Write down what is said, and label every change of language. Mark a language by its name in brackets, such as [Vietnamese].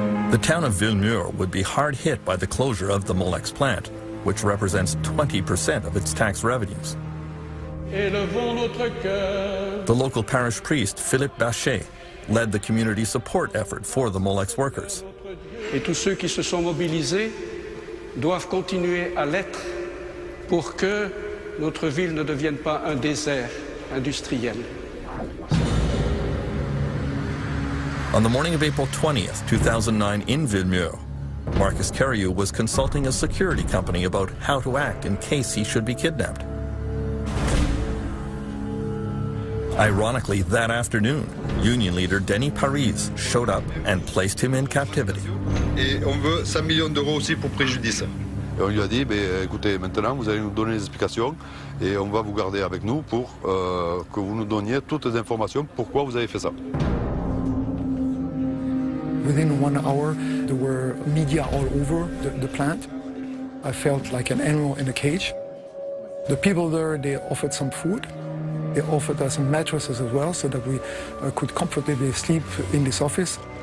[English] The town of Villemur would be hard hit by the closure of the Molex plant, which represents 20% of its tax revenues. The local parish priest, Philippe Bachet, led the community support effort for the Molex workers. [French] Et tous ceux qui se sont mobilisés doivent continuer à l'être pour que notre ville ne devienne pas un désert industriel. [English] On the morning of April 20th, 2009, in Villemur, Marcus Carriou was consulting a security company about how to act in case he should be kidnapped. Ironically, that afternoon, union leader Denis Paris showed up and placed him in captivity. [French] Et on veut 5 millions d'euros aussi pour préjudice. Et on lui a dit, bah, écoutez, maintenant vous allez nous donner des explications et on va vous garder avec nous pour que vous nous donniez toutes les informations pourquoi vous avez fait ça. [English] Within 1 hour, there were media all over the plant. I felt like an animal in a cage. The people there, they offered some food. They offered us some mattresses as well, so that we could comfortably sleep in this office.